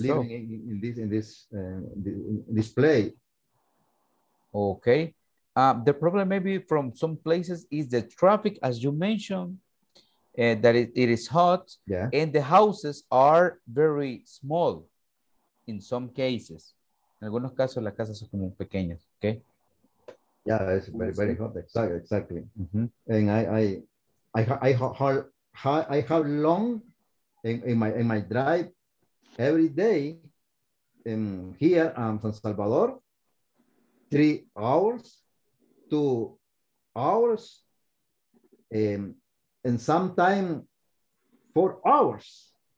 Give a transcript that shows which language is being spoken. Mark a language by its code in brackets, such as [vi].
[en] living in this play. Okay. The problem maybe from some places is the traffic, as you mentioned, that it is hot, yeah, and the houses are very small in some cases. [es] En algunos casos, las casas son como pequeñas, okay? [en] Yeah, it's very, very hot, exactly. Mm-hmm. And I have long in my drive every day in here in San Salvador, 3 hours, 2 hours, and sometime 4 hours.